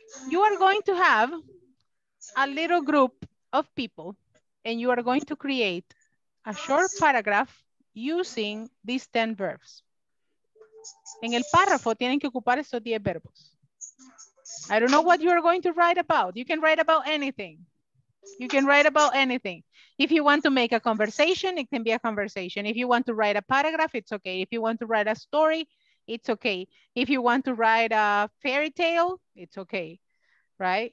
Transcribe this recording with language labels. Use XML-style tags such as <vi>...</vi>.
<en>You are going to have a little group of people and you are going to create a short paragraph using these 10 verbs.</en> <es>En el párrafo tienen que ocupar estos 10 verbos.</es> <en>I don't know what you are going to write about. You can write about anything. You can write about anything. If you want to make a conversation, it can be a conversation. If you want to write a paragraph, it's okay. If you want to write a story, it's okay. If you want to write a fairy tale, it's okay, right?</en>